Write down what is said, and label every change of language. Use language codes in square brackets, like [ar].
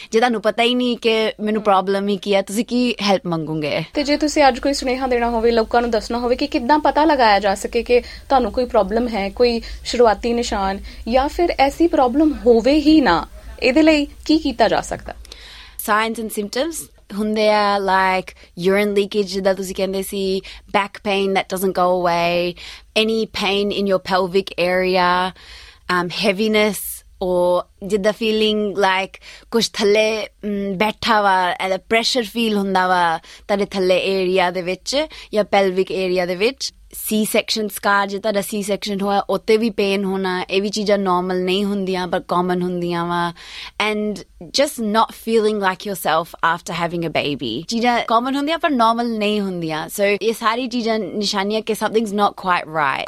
[pa] ਜੇ ਤੁਹਾਨੂੰ ਪਤਾ ਹੀ ਨਹੀਂ ਕਿ ਮੈਨੂੰ ਪ੍ਰੋਬਲਮ ਹੀ ਕੀ ਆ, ਤੁਸੀਂ ਕੀ ਹੈਲਪ ਮੰਗੋਗੇ? ਤੇ ਜੇ ਤੁਸੀਂ ਅੱਜ ਕੋਈ ਸੁਨੇਹਾ ਦੇਣਾ ਹੋਵੇ, ਲੋਕਾਂ ਨੂੰ ਦੱਸਣਾ ਹੋਵੇ ਕਿ ਕਿੱਦਾਂ ਪਤਾ ਲਗਾਇਆ ਜਾ ਸਕੇ ਕਿ ਤੁਹਾਨੂੰ ਕੋਈ ਪ੍ਰੋਬਲਮ ਹੈ, ਕੋਈ ਸ਼ੁਰੂਆਤੀ ਨਿਸ਼ਾਨ, ਜਾਂ ਫਿਰ ਐਸੀ ਪ੍ਰੋਬਲਮ ਹੋਵੇ ਹੀ ਨਾ, ਇਹਦੇ ਲਈ ਕੀ ਕੀਤਾ ਜਾ ਸਕਦਾ? [en] Signs and symptoms [pa] hunde ya, [en] like urine leakage that [pa] tusi kende si, [en] back pain that doesn't go away, any pain in your pelvic area, heaviness, or did the feeling like [pa] kuch thalle baitha va, [en] the pressure feel [pa] hunda va tade thalle [en] area de vich ya pelvic area de vich. [pa] ਸੀ section ਸਕਾਰ, ਜੇ ਤੁਹਾਡਾ ਸੀ section ਹੋਇਆ ਉੱਤੇ ਵੀ pain ਹੋਣਾ, ਇਹ ਵੀ ਚੀਜ਼ਾਂ normal ਨਹੀਂ ਹੁੰਦੀਆਂ ਪਰ ਕਾਮਨ ਹੁੰਦੀਆਂ ਵਾ. [en] and just not feeling like yourself after having a baby, [pa] ਚੀਜ਼ਾਂ ਕਾਮਨ ਹੁੰਦੀਆਂ ਪਰ ਨੋਰਮਲ ਨਹੀਂ ਹੁੰਦੀਆਂ. ਸੋ ਇਹ ਸਾਰੀ ਚੀਜ਼ਾਂ ਨਿਸ਼ਾਨੀਆਂ ਕਿ [en] Something is not quite right.